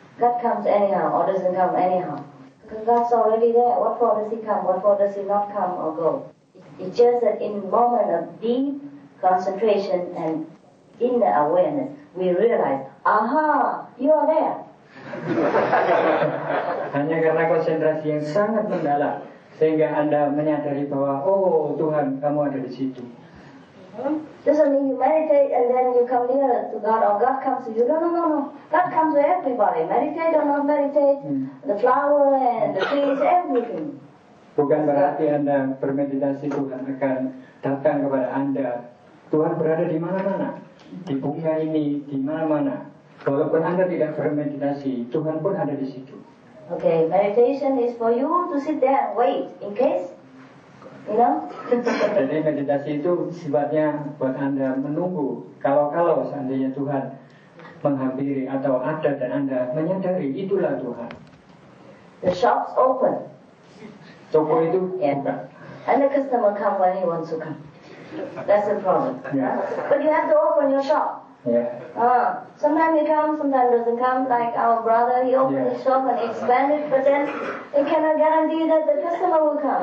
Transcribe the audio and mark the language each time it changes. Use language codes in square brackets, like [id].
[en] God comes anyhow or doesn't come anyhow. Because God's already there. What for does He come? What for does He not come or go? It's just that in a moment of deep concentration and inner awareness, we realize, aha, you are there. [id] Hanya karena konsentrasi yang sangat mendalam sehingga Anda menyadari bahwa, oh Tuhan, kamu ada di situ. [en] Doesn't mean you meditate and then you come nearer to God or God comes to you. No. God comes to everybody. Meditate or not meditate, the flower and the trees, everything. [id] Bukan berarti Anda bermeditasi Tuhan akan datang kepada Anda. Tuhan berada di mana-mana, di bunga ini, di mana-mana. Walaupun Anda tidak bermeditasi, Tuhan pun ada di situ. [en] Okay, meditation is for you to sit there and wait in case [id] Jadi meditasi itu sifatnya buat Anda menunggu. Kalau-kalau seandainya Tuhan menghampiri atau ada dan Anda menyadari, itulah Tuhan. [en] The shop's open. [id] Toko itu buka. [en] And the customer come when he wants to come. That's the problem. Yeah. But you have to open your shop. Yeah. Sometimes he comes, sometimes doesn't come. Like our brother, he opened his shop and expanded, but then he cannot guarantee that the customer will come.